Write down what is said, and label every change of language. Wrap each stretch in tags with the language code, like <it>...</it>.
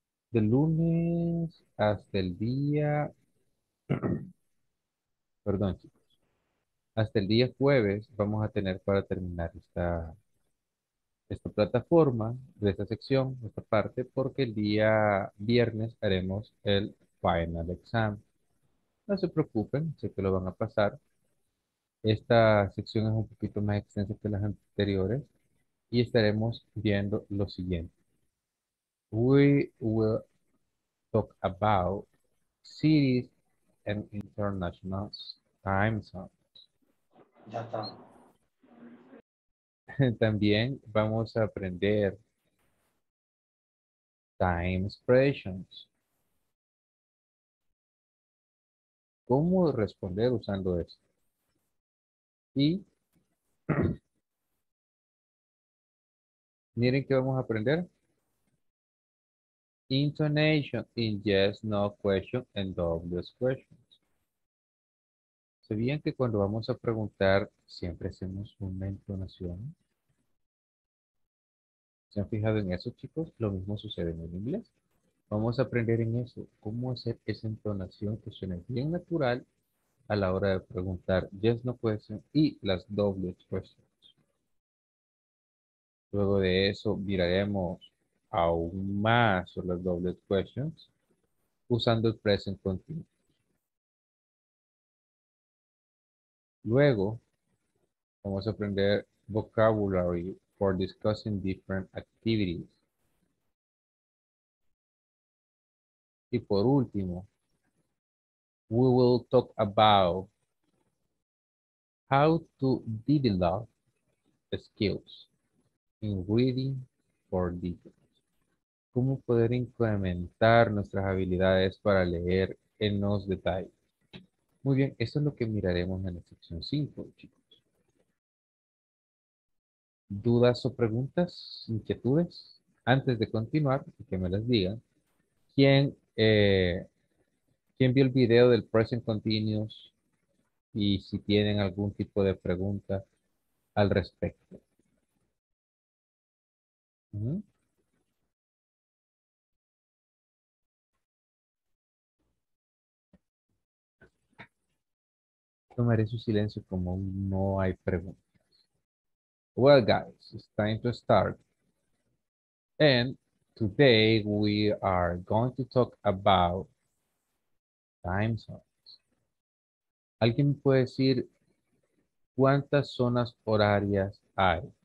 <es>Del lunes hasta el día, perdón, chicos, hasta el día jueves vamos a tener para terminar esta plataforma de esta sección, esta parte, porque el día viernes haremos el final exam. No se preocupen, sé que lo van a pasar. Esta sección es un poquito más extensa que las anteriores y estaremos viendo lo siguiente.</es> <en>We will talk about cities and international time zones.</en> <es>Ya está. También vamos a aprender</es> <en>time expressions.</en> <es>¿Cómo responder usando esto? Y miren qué vamos a aprender.</es> <en>Intonation in yes, no question and W questions.</en> <es>¿Sé bien que cuando vamos a preguntar siempre hacemos una entonación? ¿Se han fijado en eso, chicos? Lo mismo sucede en el inglés. Vamos a aprender en eso, cómo hacer esa entonación que suene bien natural a la hora de preguntar</es> <en>yes, no question</en> <es>y las doble questions. Luego de eso, miraremos aún más sobre las doble questions usando el</es> <en>present continuous.</en> <es>Luego, vamos a aprender</es> <en>vocabulary for discussing different activities.</en> <es>Y por último,</es> <en>we will talk about how to develop skills in reading for details.</en> <es>¿Cómo poder incrementar nuestras habilidades para leer en los detalles? Muy bien, eso es lo que miraremos en la sección 5, chicos. ¿Dudas o preguntas, inquietudes? Antes de continuar, que me las digan, ¿quién vio el video del Present Continuous? Y si tienen algún tipo de pregunta al respecto. Tomaré su silencio como no hay preguntas.</es> <en>Well, guys, it's time to start. And today we are going to talk about time zones.</en> <es>¿Alguien me puede decir cuántas zonas horarias hay?</es>